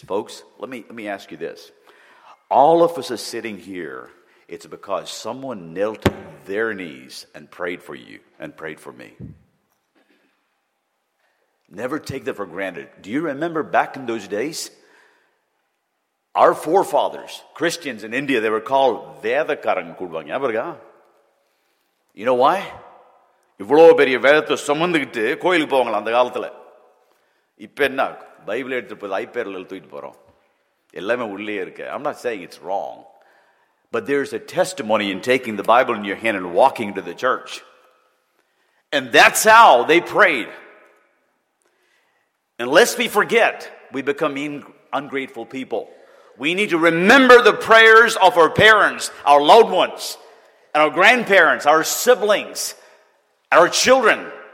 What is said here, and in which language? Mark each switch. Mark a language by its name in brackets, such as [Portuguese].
[English] Folks, let me ask you this. All of us are sitting here, it's because someone knelt their knees and prayed for you and prayed for me. Never take that for granted. Do you remember back in those days? Our forefathers, Christians in India, they were called Vedakaran Kurvang. You know why? [Tamil] இவ்வளோ பெரிய வேதத்தை சுமந்துக்கிட்டு கோயிலுக்கு போவாங்களா அந்த காலத்தில்? இப்போ என்ன பைபிள் எடுத்துட்டு போய் ஐப்பேரில் எழுத்துக்கிட்டு போகிறோம். எல்லாமே உள்ளே இருக்கு. [English] I'm not saying it's wrong. But there is a testimony in taking the Bible in your hand and walking to the church. And that's how they prayed. And lest we forget, we become ungrateful people. We need to remember the prayers of our parents, our loved ones, and our grandparents, our siblings, our children.